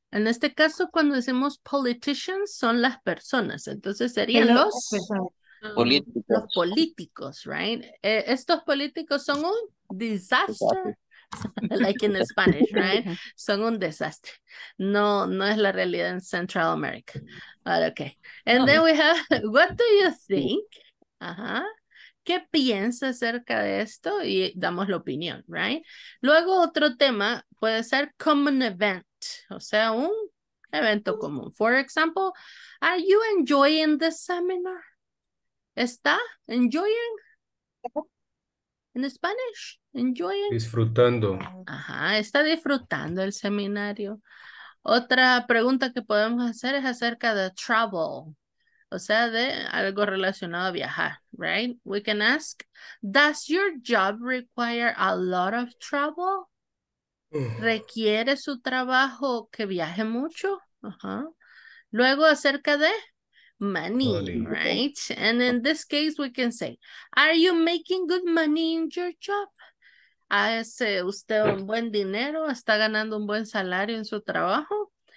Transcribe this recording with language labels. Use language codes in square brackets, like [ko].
[es] En este caso, cuando decimos politicians, son las personas. Entonces serían los políticos. Los políticos, right? Estos políticos son un disaster, [en] like in Spanish, right? [es] Son un desastre. No, no es la realidad en Central America. [en] But okay. And then we have, what do you think? [es] ¿Qué piensa acerca de esto? Y damos la opinión, [en] right? [es] Luego otro tema puede ser common event, o sea, un evento común. [en] For example, are you enjoying the seminar? [es] ¿Está enjoying? [en] In Spanish, [es] enjoying. Disfrutando. Ajá, está disfrutando el seminario. Otra pregunta que podemos hacer es acerca de travel, o sea, de algo relacionado a viajar, [en] right? We can ask, does your job require a lot of travel? [es] ¿Requiere su trabajo que viaje mucho? Ajá. Luego acerca de money, [en] right? And in this case, we can say, are you making good money in your job? [es] ¿Hace usted un buen dinero? ¿Está ganando un buen salario en su trabajo?